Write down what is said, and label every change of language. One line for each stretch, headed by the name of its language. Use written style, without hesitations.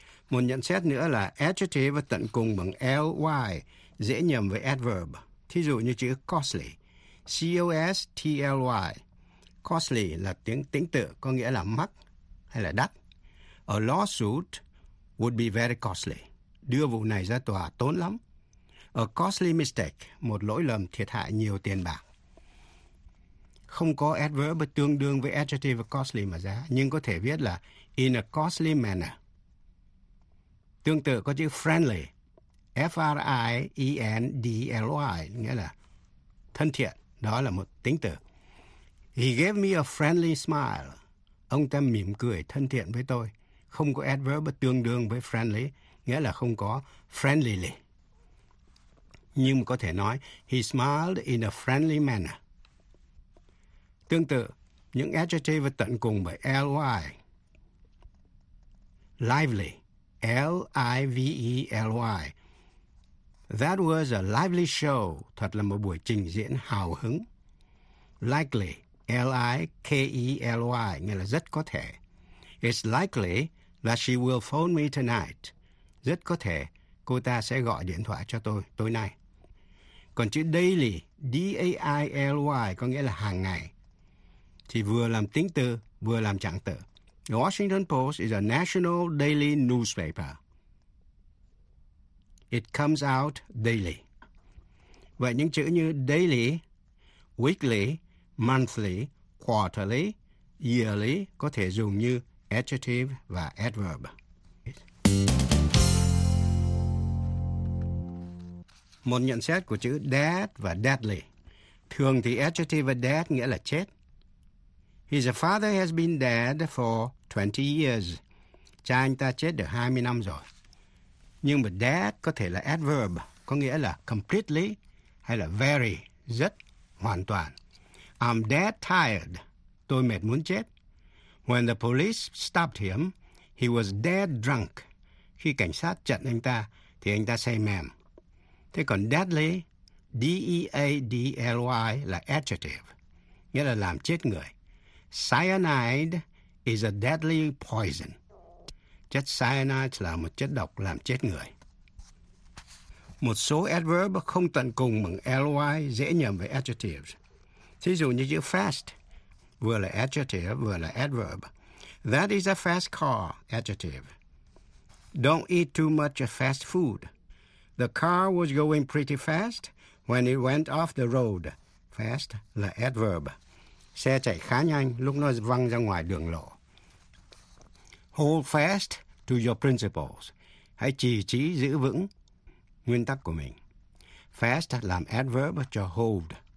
Vietnamese: Một nhận xét nữa là adjective tận cùng bằng ly dễ nhầm với adverb. Thí dụ như chữ costly, C-O-S-T-L-Y. Costly là tiếng tính tự, có nghĩa là mắc hay là đắt.
English: A lawsuit would be very costly.
Vietnamese: Đưa vụ này ra tòa tốn lắm.
English: A costly mistake,
Vietnamese: một lỗi lầm thiệt hại nhiều tiền bạc. Không có adverb tương đương với adjective costly mà ra, nhưng có thể viết là
English: in a costly manner.
Vietnamese: Tương tự có chữ friendly, F-R-I-E-N-D-L-Y, nghĩa là thân thiện, đó là một tính từ.
English: He gave me a friendly smile.
Vietnamese: Ông ta mỉm cười thân thiện với tôi. Không có adverb tương đương với friendly, nghĩa là không có friendlyly. Nhưng có thể nói,
English: he smiled in a friendly manner.
Vietnamese: Tương tự, những adjective tận cùng bởi ly.
English: Lively, L-I-V-E-L-Y. That was a lively show,
Vietnamese: thật là một buổi trình diễn hào hứng. Likely, L-I-K-E-L-Y, nghĩa là rất có thể.
English: It's likely that she will phone me tonight.
Vietnamese: Rất có thể cô ta sẽ gọi điện thoại cho tôi tối nay. Còn chữ daily, D-A-I-L-Y, có nghĩa là hàng ngày, thì vừa làm tính từ, vừa làm trạng từ.
English: The Washington Post is a national daily newspaper. It comes out daily.
Vietnamese: Vậy những chữ như daily, weekly, monthly, quarterly, yearly có thể dùng như adjective và adverb. Một nhận xét của chữ dead và deadly. Thường thì adjective và dead nghĩa là chết.
English: His father has been dead for 20 years.
Vietnamese: Cha anh ta chết được 20 năm rồi. Nhưng mà dead có thể là adverb, có nghĩa là completely hay là very, rất, hoàn toàn.
English: I'm dead tired.
Vietnamese: Tôi mệt muốn chết.
English: When the police stopped him, he was dead drunk.
Vietnamese: Khi cảnh sát chặn anh ta, thì anh ta say mềm. Thế còn deadly, D-E-A-D-L-Y là adjective, nghĩa là làm chết người.
English: Cyanide is a deadly poison.
Vietnamese: Chất cyanide là một chất độc làm chết người. Một số adverb không tận cùng bằng L-Y dễ nhầm với adjectives. Thí dụ như chữ fast, vừa là adjective, vừa là adverb.
English: That is a fast car, adjective. Don't eat too much fast food. The car was going pretty fast when it went off the road. Fast là adverb.
Vietnamese: Xe chạy khá nhanh lúc nó văng ra ngoài đường lộ.
English: Hold fast to your principles.
Vietnamese: Hãy chỉ trí giữ vững nguyên tắc của mình. Fast làm adverb cho hold.